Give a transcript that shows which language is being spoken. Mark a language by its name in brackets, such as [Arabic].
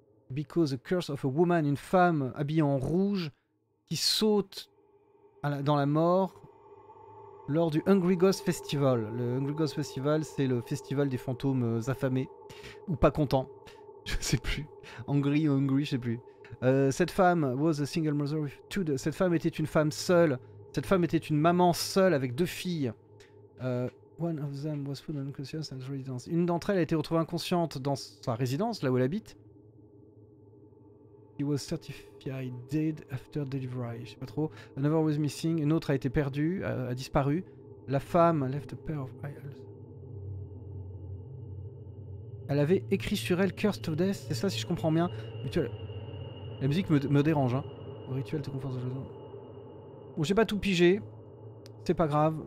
[English] Because the curse of a woman, [French] une femme habillée en rouge, qui saute dans la mort lors du Hungry Ghost Festival. Le Hungry Ghost Festival, c'est le festival des fantômes affamés ou pas contents. Je sais plus. Hungry, je sais plus. Cette femme [English] was a single mother with two. [French] Cette femme était une femme seule. Cette femme était une maman seule avec deux filles. [English] One of them was found unconscious in her residence. [French] Une d'entre elles a été retrouvée inconsciente dans sa résidence, là où elle habite. [English] He was certified dead after delivery. [French] Je sais pas trop. [English] Another was missing. [French] Une autre a été perdue, a disparu. La femme [English] left a pair of eyes. [French] Elle avait écrit sur elle [English] Cursed to Death. [French] C'est ça, si je comprends bien. La musique me dérange. Hein. Le rituel te conforte. Bon, j'ai pas tout pigé. C'est pas grave.